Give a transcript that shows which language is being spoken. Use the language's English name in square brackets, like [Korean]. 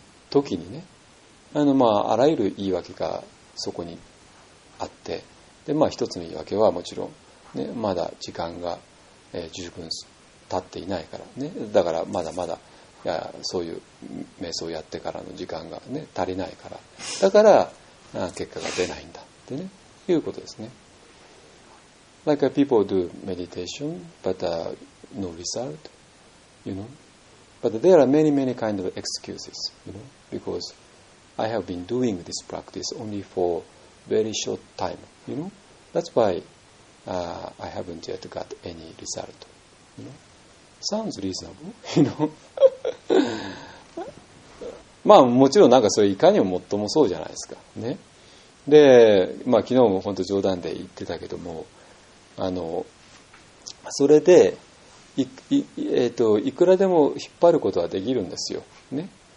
[Japanese] 時にね、まあ、あらゆる言い訳がそこにあって、で、まあ、一つの言い訳はもちろん、ね、まだ時間が、十分経っていないからね、だからまだまだいや、そういう瞑想をやってからの時間がね足りないから、だから結果が出ないんだってね、いうことですね。 [English] Like people do meditation but、no result, you know, but there are many many kind of excuses, you know, because I have been doing this practice only for very short time, you know, that's why、I haven't yet got any result, you know, Sounds reasonable, you know. [Japanese] まあもちろんなんかそれいかにももっともそうじゃないですかね。で、まあ昨日も本当冗談で言ってたけども、あのそれで いくらでも引っ張ることはできるんですよね。